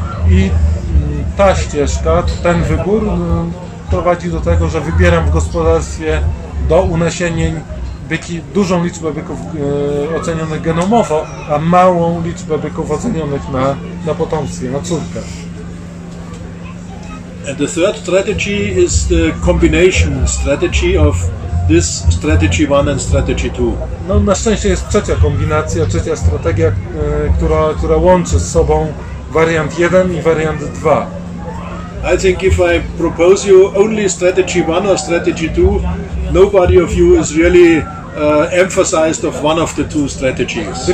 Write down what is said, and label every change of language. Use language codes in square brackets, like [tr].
[pl] I ta ścieżka, ten wybór prowadzi do tego, że wybieram w gospodarstwie do unesienień byki, dużą liczbę byków ocenionych genomowo, a małą liczbę byków ocenionych na potomstwie, na córkę. [en] And the third strategy is the combination strategy of this strategy 1 and strategy 2. [pl] No, na szczęście jest trzecia kombinacja, trzecia strategia, która łączy z sobą wariant 1 i wariant 2. [en] I think if I propose you only strategy 1 or strategy 2, nobody of you is really emphasized of one of the two strategies.